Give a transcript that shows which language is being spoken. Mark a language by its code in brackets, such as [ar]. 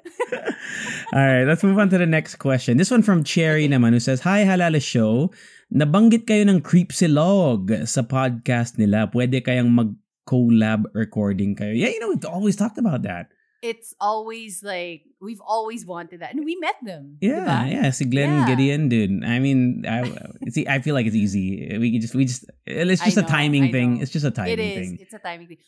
[en] All right, let's move on to the next question. This one from Cherry naman, who says, "Hi, Halal Show. [tl] Nabanggit kayo ng Creepsilog sa podcast nila. Pwede kayang mag-collab recording kayo?" [en] Yeah, you know, we've always talked about that. It's always like, we've always wanted that. And we met them. Yeah, [tl] diba? [en] Yeah. Si Glenn yeah. Gideon, dude. I mean, I feel like it's easy. It's just a timing thing. It's a timing thing.